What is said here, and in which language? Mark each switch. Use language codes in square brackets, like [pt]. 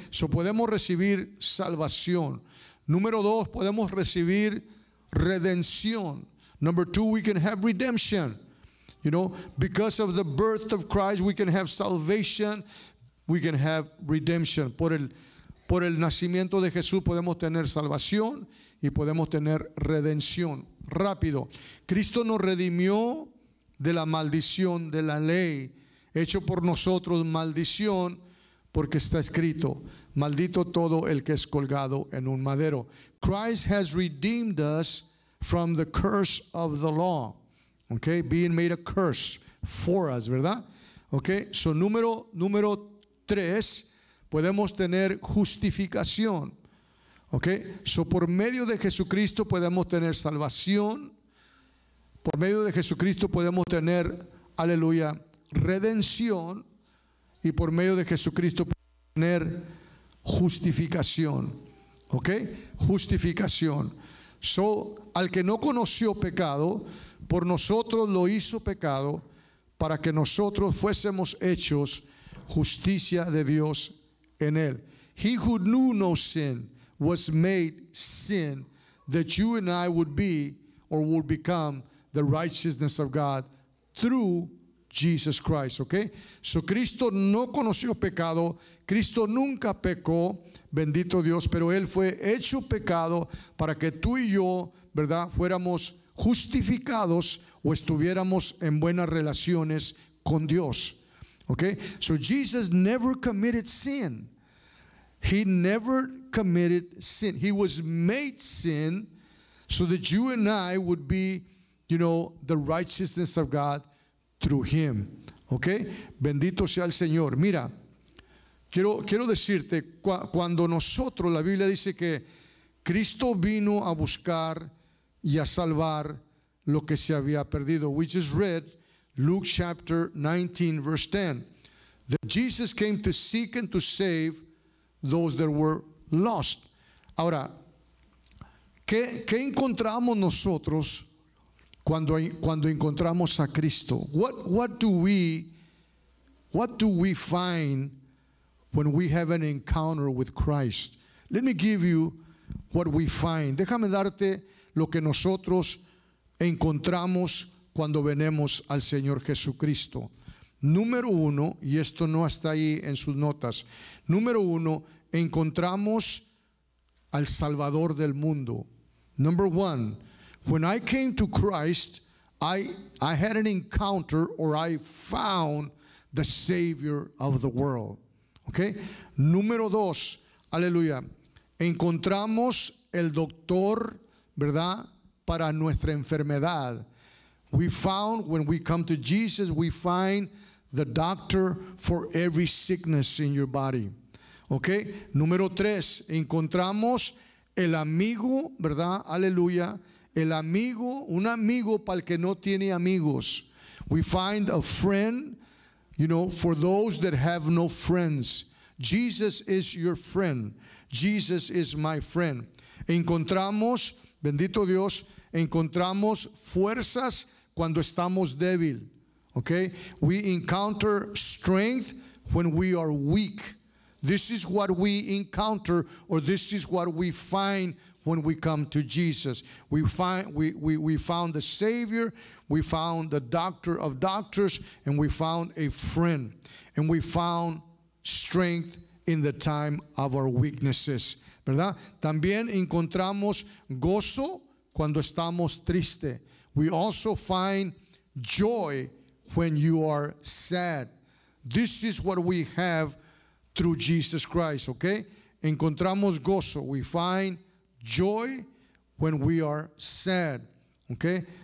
[es] So podemos recibir salvación. Número dos, podemos recibir redención. [en] Number two, we can have redemption. You know, because of the birth of Christ, we can have salvation. We can have redemption. [es] Por el nacimiento de Jesús podemos tener salvación y podemos tener redención. Rápido. Cristo nos redimió de la maldición de la ley, hecho por nosotros maldición, porque está escrito, maldito todo el que es colgado en un madero. [en] Christ has redeemed us from the curse of the law. Okay, being made a curse for us, ¿verdad? [es] Okay, so número tres, podemos tener justificación. Okay, so por medio de Jesucristo podemos tener salvación. Por medio de Jesucristo podemos tener, aleluya, redención. Y por medio de Jesucristo podemos tener justificación. Okay, justificación. So, al que no conoció pecado, por nosotros lo hizo pecado para que nosotros fuésemos hechos justicia de Dios en él. [en] He who knew no sin was made sin that you and I would be or would become the righteousness of God through Jesus Christ. Okay? [es] So Cristo no conoció pecado. Cristo nunca pecó. Bendito Dios. Pero él fue hecho pecado para que tú y yo, ¿verdad?, fuéramos justificados o estuviéramos en buenas relaciones con Dios. [en] Okay? So Jesus never committed sin. He never committed sin. He was made sin so that you and I would be, you know, the righteousness of God through him. [es] Okay? Bendito sea el Señor. Mira, quiero decirte, cuando nosotros, la Biblia dice que Cristo vino a buscar y a salvar lo que se había perdido. [en] We just read Luke chapter 19, verse 10. That Jesus came to seek and to save those that were lost. [es] Ahora, ¿qué encontramos nosotros cuando encontramos a Cristo? [en] What do we find when we have an encounter with Christ? Let me give you what we find. [es] Déjame darte lo que nosotros encontramos cuando venemos al Señor Jesucristo. Número uno, y esto no está ahí en sus notas. Número uno, encontramos al Salvador del mundo. [en] Number one, when I came to Christ, I had an encounter or I found the Savior of the world. Okay? [es] Número dos, aleluya, encontramos el doctor, ¿verdad?, para nuestra enfermedad. [en] We found, when we come to Jesus, we find the doctor for every sickness in your body. Okay? [es] Número tres, encontramos el amigo, ¿verdad? Aleluya. El amigo, un amigo para el que no tiene amigos. [en] We find a friend, you know, for those that have no friends. Jesus is your friend. Jesus is my friend. [es] Encontramos, bendito Dios, encontramos fuerzas cuando estamos débil. [en] Okay? We encounter strength when we are weak. This is what we encounter, or this is what we find when we come to Jesus. We found the Savior, we found the doctor of doctors, and we found a friend. And we found strength in the time of our weaknesses. [es] ¿Verdad? También encontramos gozo cuando estamos triste. [en] We also find joy when you are sad. This is what we have through Jesus Christ, okay? [es] Encontramos gozo. [en] We find joy when we are sad, okay?